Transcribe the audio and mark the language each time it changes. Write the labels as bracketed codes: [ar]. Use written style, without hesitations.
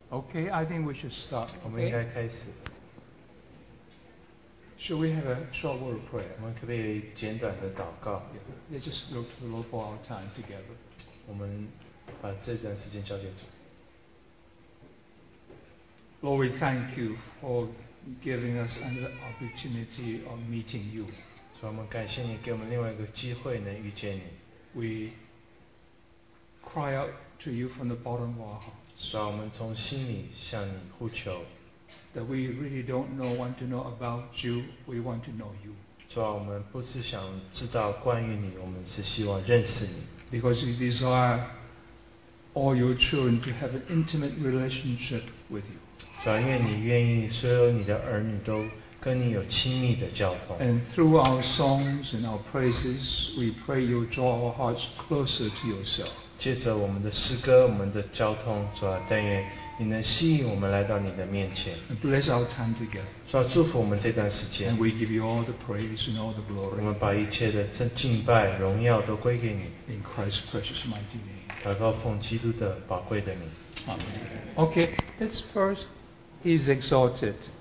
[en] Okay, I think we should start. [zh] 我们应该开始。 [en] Should we have a short word of prayer? [zh] 我们可不可以简短的祷告？ [en] Let's just look to the Lord for our time together. [zh] 我们把这段时间交给主。 [en] Lord, we thank you for giving us an opportunity of meeting you. [zh] 主，我们感谢你给我们另外一个机会能遇见你。 [en] We cry out to you from the bottom of our heart. [zh] 主啊，我们从心里向你呼求。 [en] That we really don't know, want to know about you, we want to know you. [zh] 主啊，我们不是想知道关于你，我们是希望认识你。 [en] Because we desire all your children to have an intimate relationship with you. [zh] 主啊，因为你愿意所有你的儿女都跟你有亲密的交通。 [en] And through our songs and our praises, we pray you draw our hearts closer to yourself. [zh] 借着我们的诗歌，我们的交通，主啊，但愿你能吸引我们来到你的面前。 [en] Bless our time together. [zh] 主啊，祝福我们这段时间。 [en] And we give you all the praise and all the glory. [zh] 我们把一切的敬拜、荣耀都归给你。 [en] In Christ's precious mighty name. [zh] 祷告奉基督的宝贵的名。 [en] Amen. Okay, let's first, He's exalted.